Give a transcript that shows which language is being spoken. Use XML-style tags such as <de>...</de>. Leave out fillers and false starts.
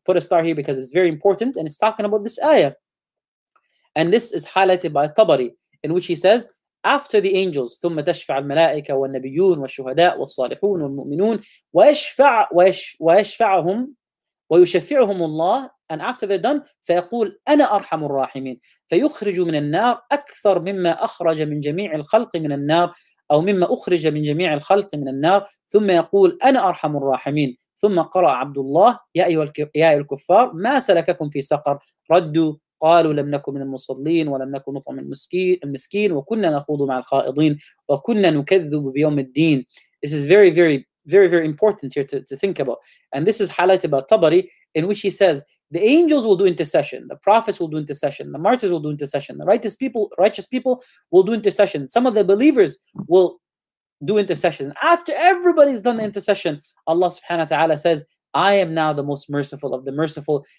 <en>I've put a star here because it's very important, and it's talking about this ayah. And this is highlighted by Tabari, in which he says, after the angels,</en> <ar>ثم تشفع الملائكة والنبيون والشهداء والصالحون والمؤمنون ويشفعهم ويشفعهم الله.</ar> <en>And after they're done,</en> <ar>فيقول أنا أرحم الراحمين فيخرج من النار أكثر مما أخرج من جميع الخلق من النار أو مما أخرج من جميع الخلق من النار، ثم يقول أنا أرحم الراحمين. ثم قرأ عبد الله يا أيها الكفار ما سلككم في سقر؟ ردوا قالوا لم نكن من المصلين ولم نكن نطعم المسكين وكنا نخوض مع الخائضين وكنا نكذب بيوم الدين.</ar> <en>This is very very very very important here to think about, and this is highlighted by Tabari, in which he says the angels will do intercession, the prophets will do intercession, the martyrs will do intercession, the righteous people will do intercession, some of the believers will do intercession. After everybody's done the intercession, Allah subhanahu wa ta'ala says, I am now the most merciful of the merciful.</en>